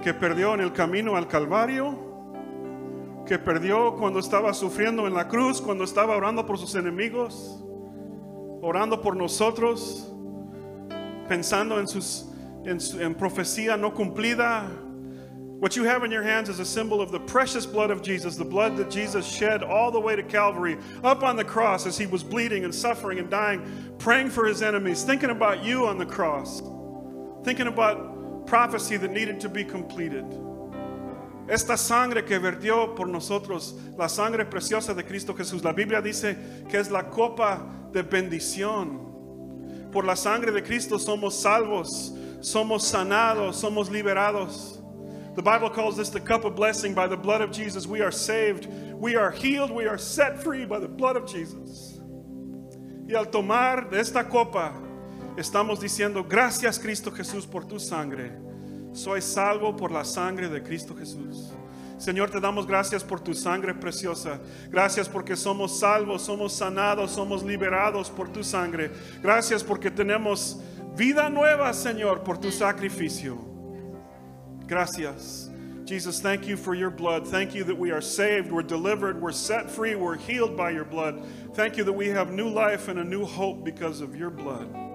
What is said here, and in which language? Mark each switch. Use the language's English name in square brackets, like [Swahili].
[Spanish] que perdió en el camino al Calvario, que perdió cuando estaba sufriendo en la cruz, cuando estaba orando por sus enemigos, orando por nosotros, pensando en en profecía no cumplida. [English] What you have in your hands is a symbol of the precious blood of Jesus, the blood that Jesus shed all the way to Calvary, up on the cross as he was bleeding and suffering and dying, praying for his enemies, thinking about you on the cross, thinking about prophecy that needed to be completed. [Spanish] Esta sangre que vertió por nosotros, la sangre preciosa de Cristo Jesús, la Biblia dice que es la copa de bendición. Por la sangre de Cristo somos salvos, somos sanados, somos liberados. [English] The Bible calls this the cup of blessing. By the blood of Jesus, we are saved. We are healed. We are set free by the blood of Jesus. [Spanish] Y al tomar de esta copa, estamos diciendo, gracias Cristo Jesús por tu sangre. Soy salvo por la sangre de Cristo Jesús. Señor, te damos gracias por tu sangre preciosa. Gracias porque somos salvos, somos sanados, somos liberados por tu sangre. Gracias porque tenemos vida nueva, Señor, por tu sacrificio. [English] Gracias. Jesus, thank you for your blood. Thank you that we are saved, we're delivered, we're set free, we're healed by your blood. Thank you that we have new life and a new hope because of your blood.